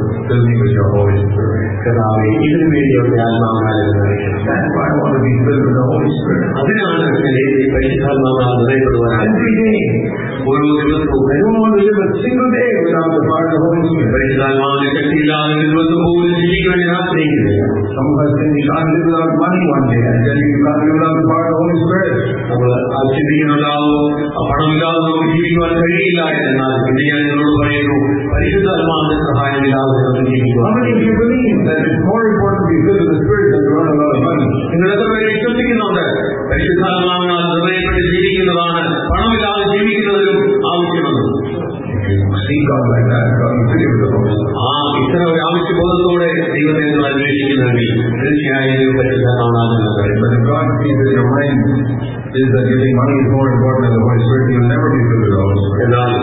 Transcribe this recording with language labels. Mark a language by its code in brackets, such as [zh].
[ml] ചിന്തിക്കുന്നുണ്ടാവോ പണമില്ലാതെ നമുക്ക് ജീവിക്കുവാൻ കഴിയില്ല എന്നാൽ പിന്നെ ഞാൻ നിങ്ങളോട് പറയുന്നു, പരിശുദ്ധാത്മാവിന്റെ സഹായം ഇല്ലാതെ നമുക്ക് ജീവിക്കുക. [en] That it's more important to be filled with the Spirit than to run a lot of money. [ml] നിങ്ങളെത്ര വിശ്വസിക്കുന്നുണ്ട്? പരിശുദ്ധാത്മാവ് നിർണയപ്പെട്ട് ജീവിക്കുന്നതാണ്, പണമില്ലാതെ ജീവിക്കുന്നതിലും ആവശ്യമാണ്.